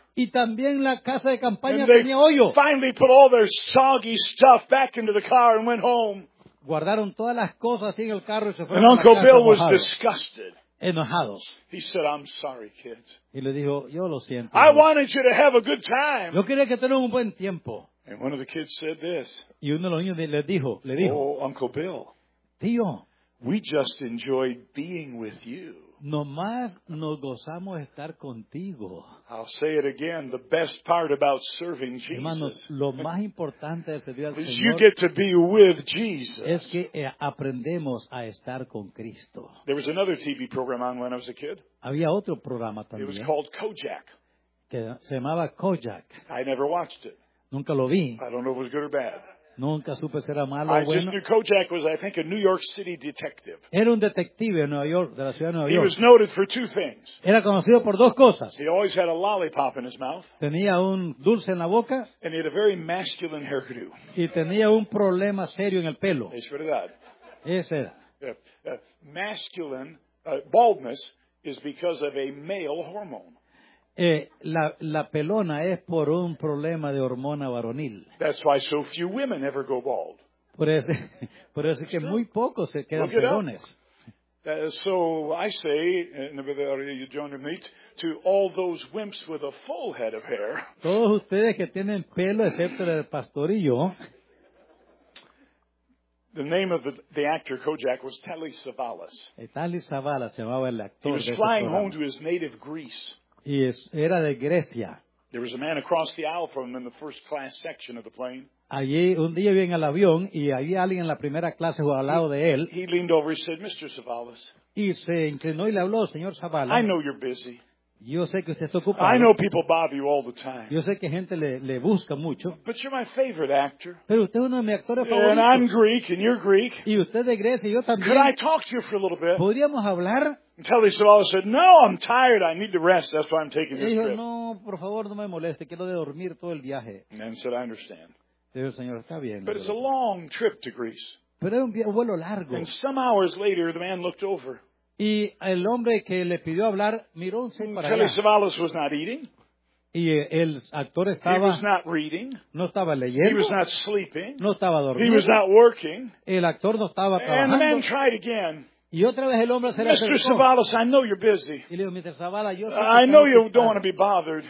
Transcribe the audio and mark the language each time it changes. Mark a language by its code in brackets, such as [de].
[es] Y también la casa de campaña tenía hoyo. [en] Finally put all their soggy stuff back into the car and went home. [es] Guardaron todas las cosas en el carro y se fueron. [en] And Uncle Bill was disgusted. [es] Enojados. [en] He said, "I'm sorry, kids." [es] Y le dijo, "Yo lo siento." [en] I wanted you to have a good time. [es] Yo quería que tuvieran un buen tiempo. [en] And one of the kids said this. [es] Y uno de los niños le dijo, [en] "Oh, Uncle Bill." [es] Tío. [en] We just enjoyed being with you. [es] Nomás nos gozamos estar contigo. [en] I'll say it again, the best part about serving Jesus. [es] Hermanos, lo más importante de servir al Señor [en] is you get to be with Jesus. [es] Es que aprendemos a estar con Cristo. [en] There was another TV program on when I was a kid. [es] Había otro programa también. [en] It was called Kojak. [es] Que se llamaba Kojak. [en] I never watched it. [es] Nunca lo vi. [en] I don't know if it was good or bad. [es] Nunca supe si era malo o bueno. [en] I just knew Kojak was, I think, a New York City detective. [es] Era un detective en Nueva York, de la ciudad de Nueva York. [en] He was noted for two things. [es] Era conocido por dos cosas. [en] He always had a lollipop in his mouth. [es] Tenía un dulce en la boca. [en] And he had a very masculine hairdo. [es] Y tenía un problema serio en el pelo. Es verdad. Ese era. [en] Masculine baldness is because of a male hormone. [es] La pelona es por un problema de hormona varonil. [en] That's why so few women ever go bald. [es] Por eso es que muy pocos se quedan pelones. [en] So I say, you join me, to all those wimps with a full head of hair. [es] Todos ustedes que tienen pelo excepto el pastorillo. [en] The name of the actor Kojak was Telly Savalas. [es] Telly Savalas se llamaba el actor. [en] He was flying home to his native Greece. [es] Y era de Grecia. [en] There was a man across the aisle from him in the first class section of the plane. [es] Allí un día vi en el avión y había alguien en la primera clase al lado de él. [en] He leaned over and said, "Mr. Savalas." [es] Y se inclinó y le habló, "Señor Savalas." [en] "I know you're busy." [es] Yo sé que usted está ocupado. [en] "I know people bother you all the time." [es] Yo sé que gente le busca mucho. [en] "But you're my favorite actor." [es] Pero usted es uno de mis actores favoritos. [en] "And I'm Greek and you're Greek." [es] Y usted de Grecia y yo también. [en] "Could I talk to you for a little bit?" [es] ¿Podríamos hablar? [en] Telly Savalas said, "No, I'm tired. I need to rest. That's why I'm taking this trip." [es] No, por favor, no me moleste. Quiero dormir todo el viaje. [en] And said, "I understand." [es] Dijo, señor, está bien. [en] But it's a long trip to Greece. [es] Pero era un vuelo largo. [en] And some hours later, the man looked over. [es] Y el hombre que le pidió hablar miró un segundo para allá. [en] Telly Savalas was not eating. [es] Y el actor estaba. [en] He was not reading. [es] No estaba leyendo. [en] He was not sleeping. [es] No estaba durmiendo. [en] He was not working. [es] El actor no estaba trabajando. [en] And the man tried again. [es] Y otra vez el hombre se le acercó. "Mr. [en] Savalas, I know you're busy." [es] Y le dijo, "Mr. Savalas, yo sé que [en] I know you don't want to be bothered."